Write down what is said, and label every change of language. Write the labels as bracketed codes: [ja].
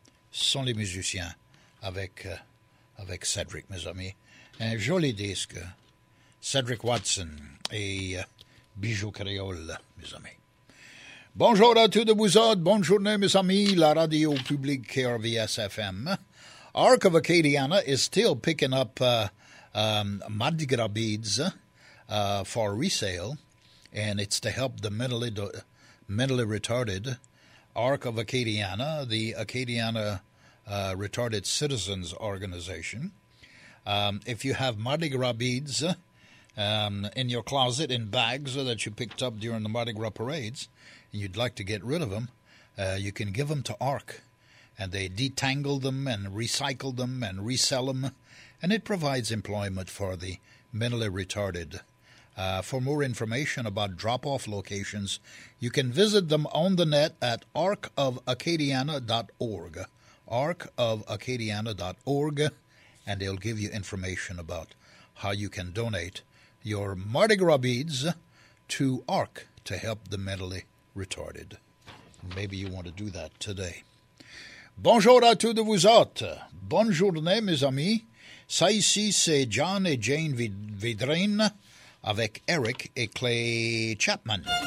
[fr] Sont les musiciens avec Cedric, mes amis. Un joli disque, Cedric Watson et Bijou Créole, mes amis. Bonjour à tous de vous autres, bonne journée, mes amis. La radio publique KRVS-FM. [en] Arc of Acadiana is still picking up Mardi Gras beads for resale, and it's to help the mentally retarded. Arc of Acadiana, the Acadiana Retarded Citizens Organization. If you have Mardi Gras beads in your closet, in bags that you picked up during the Mardi Gras parades, and you'd like to get rid of them, you can give them to ARC. And they detangle them and recycle them and resell them. And it provides employment for the mentally retarded. For more information about drop-off locations, you can visit them on the net at arcofacadiana.org. arcofacadiana.org, and they'll give you information about how you can donate your Mardi Gras beads to ARC to help the mentally retarded. Maybe you want to do that today. [fr] Bonjour à tous de vous autres. Bonne journée, mes amis. Ça ici, c'est John et Jane Vidrine avec Eric et Clay Chapman.